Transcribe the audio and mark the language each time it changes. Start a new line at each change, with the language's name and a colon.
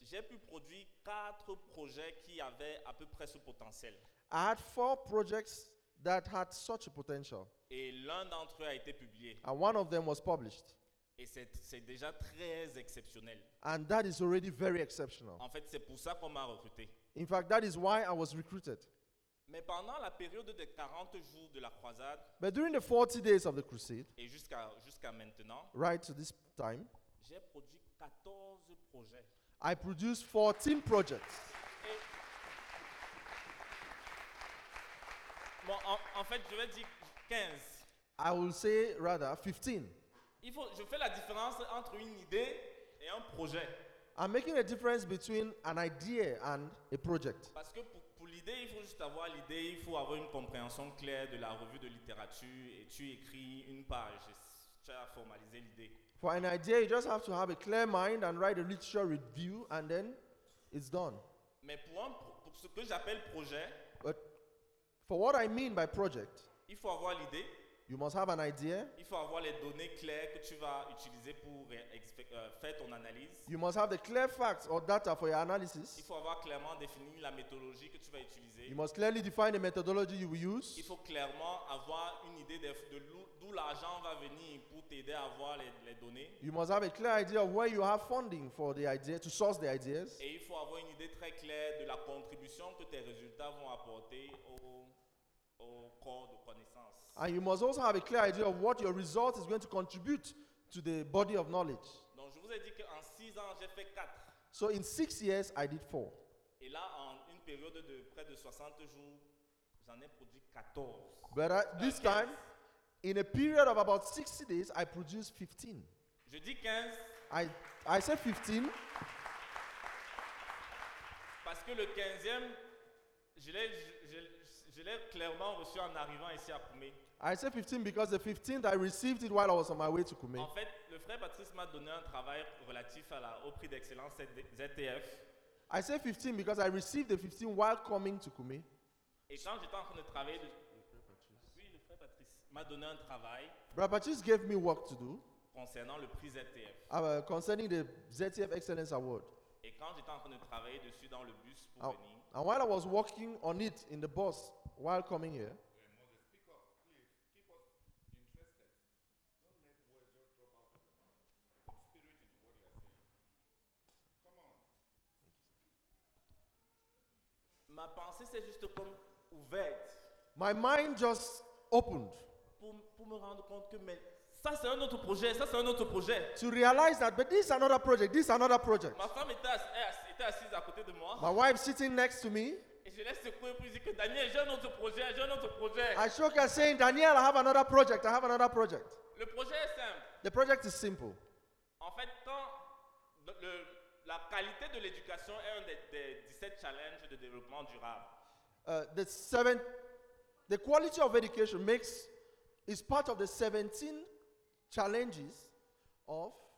French: j'ai pu produire 4 projets qui avaient à peu près ce potentiel.
English: I had 4 projects that had such a potential.
French: Et l'un d'entre eux a été publié.
English: And one of them was published.
French: Et c'est déjà très exceptionnel.
English: And that is already very exceptional.
French: En fait, c'est pour ça qu'on m'a recruté.
English: In fact, that is why I was recruited.
French: Mais pendant la période des 40 jours de la croisade,
English: but during the 40 days of the crusade,
French: et jusqu'à maintenant,
English: right to this time,
French: j'ai produit 14 projets.
English: I produced 14 projects.
French: Bon, en fait, je vais dire 15.
English: I will say rather 15.
French: Je fais la différence entre une idée et un projet.
English: I'm making a difference between an idea and a project.
French: Parce que pour l'idée, il faut juste avoir l'idée, il faut avoir une compréhension claire de la revue de littérature et tu écris une page, tu as formalisé l'idée.
English: For an idea, you just have to have a clear mind and write a literature review and then it's done.
French: Mais pour ce que j'appelle projet,
English: but for what I mean by project,
French: il faut avoir l'idée.
English: You must have an idea.
French: Il faut avoir les données claires que tu vas utiliser pour faire ton analyse.
English: You must have the clear facts or data for your analysis.
French: Il faut avoir clairement défini la méthodologie que tu vas utiliser.
English: You must clearly define the methodology you will use.
French: Il faut clairement avoir une idée de d'où l'argent va venir pour t'aider à avoir les données.
English: You must have a clear idea of where you have funding for the idea to source the ideas.
French: Et il faut avoir une idée très claire de la contribution que tes résultats vont apporter au corps de connaissances.
English: And you must also have a clear idea of what your result is going to contribute to the body of knowledge.
French: Donc je vous ai dit qu'en 6 ans, j'ai fait 4.
English: So in 6 years, I did 4.
French: Et là, en une période de près de 60 jours, j'en ai produit 14.
English: But this time, in a period of about 60 days, I produced 15.
French: Je dis 15.
English: I said 15.
French: Parce que le 15e, je l'ai clairement reçu en arrivant ici à Koumé.
English: I said 15 because the 15th I received it while I was on my way to Koumé.
French: En fait, le frère Patrice m'a donné un travail relatif au prix d'excellence ZTF.
English: I said 15 because I received the 15 while coming to Koumé.
French: Et quand j'étais en train de travailler, le frère Patrice m'a donné un travail.
English: Brother Patrice gave me work to do.
French: Concernant le prix ZTF.
English: Concerning the ZTF Excellence Award.
French: Et quand j'étais en train de travailler dessus dans le bus pour venir.
English: And while I was working on it in the bus while coming here,
French: ma pensée s'est juste comme ouverte.
English: My mind just opened.
French: Pour me rendre compte que mais ça c'est un autre projet, ça c'est un autre projet.
English: To realize that, but this is another project, this is another project.
French: Ma femme était assise à côté de moi.
English: My wife sitting next to me.
French: Et je laisse secouer pour lui dire que Daniel, j'ai un autre projet, j'ai un autre projet.
English: I shook her saying, Daniel, I have another project, I have another project.
French: Le projet est simple.
English: The project is simple.
French: En fait, quand la qualité de l'éducation est un des 17 challenges de développement durable.
English: The quality of education is part of the 17 challenges of